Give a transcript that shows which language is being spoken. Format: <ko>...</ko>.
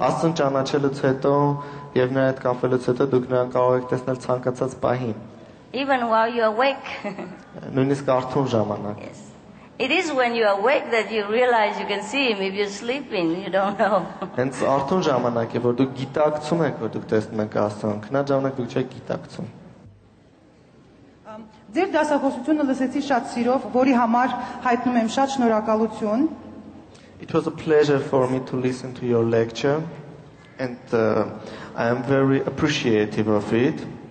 <hy>Աստծուն ճանաչելուց հետո եւ նրա հետ կապելուց հետո դուք նրան կարող եք տեսնել ցանկացած պահին։</hy> <en>Even while you are awake.</en> <hy>Նույնիսկ արթուն ժամանակ։</hy> <en>Yes. It is when you are awake that you realize you can see him. If you're sleeping, you don't know.</en> <hy>Հենց արթուն ժամանակ է, որ դուք գիտակցում եք, որ դուք տեսնում եք Աստծուն, քնա ժամանակ դուք չեք գիտակցում։ Ձեր դասախոսությունը լսեցի շատ սիրով, որի համար հայտնում եմ շատ շնորհակալություն։</hy> <en>It was a pleasure for me to listen to your lecture And I am very appreciative of it.</en>